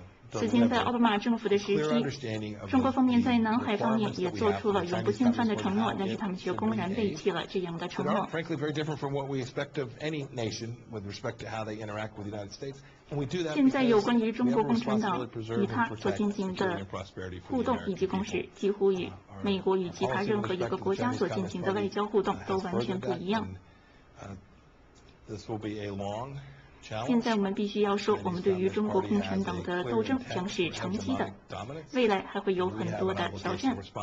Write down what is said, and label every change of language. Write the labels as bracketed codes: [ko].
[zh] 此前在奥巴马政府的时期，中国方面在南海方面也做出了永不侵犯的承诺，但是他们却公然背弃了这样的承诺。 [en] Frankly, very different from what we expect of any nation with respect to how they interact with the United States, and we do that. [zh] 现在有关于中国共产党与他所进行的互动以及共识，几乎与美国与其他任何一个国家所进行的外交互动都完全不一样。 [en] This will be a long. [zh] 现在我们必须要说，我们对于中国共产党的斗争将是长期的，未来还会有很多的挑战。